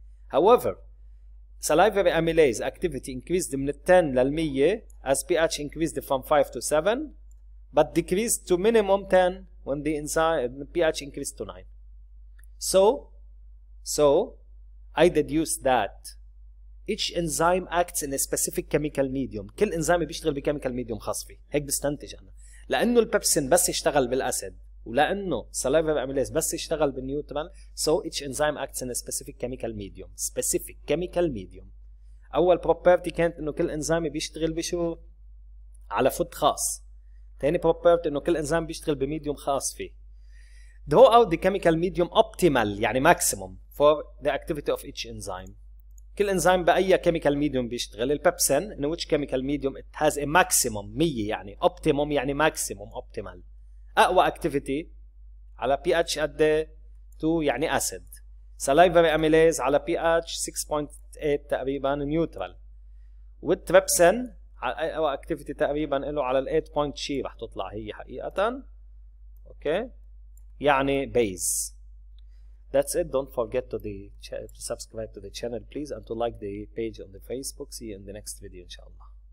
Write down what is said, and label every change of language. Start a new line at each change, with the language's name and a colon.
English: However, salivary amylase activity increased from 10 to 100 as pH increased from 5 to 7, but decreased to minimum 10 when the enzyme pH increased to 9. So, I deduced that each enzyme acts in a specific chemical medium.
Arabic: كل انزيم بيشتغل بكيميكال ميديوم خاص فيه. هيك بستنتج انا. لانه البيبسين بس يشتغل بالاسيد، ولانه السلايفري اميليز بس يشتغل بالنيوترال،
English: so each enzyme acts in a specific chemical medium. Specific chemical medium.
Arabic: اول بروبرتي كانت انه كل انزيم بيشتغل بشو؟ على فود خاص. ثاني بروبرتي انه كل انزيم بيشتغل بميديوم خاص فيه.
English: Draw out the chemical medium optimal
Arabic: يعني
English: maximum for the activity of each enzyme.
Arabic: كل انزيم باي كيميكال ميديوم بيشتغل، البيبسين
English: in which chemical medium it has a maximum
Arabic: 100 يعني اوبتيموم يعني ماكسيموم اوبتيمال اقوى اكتيفيتي على بي اتش قد ايه 2 يعني اسيد. سلايفري اميليز على بي اتش 6.8 تقريبا نيوترال، والتريبسين على اقوى اكتيفيتي تقريبا له على ال 8.3 رح تطلع هي حقيقه. اوكي يعني بيز.
English: That's it. Don't forget to subscribe to the channel, please, and to like the page on the Facebook. See you in the next video, inshallah.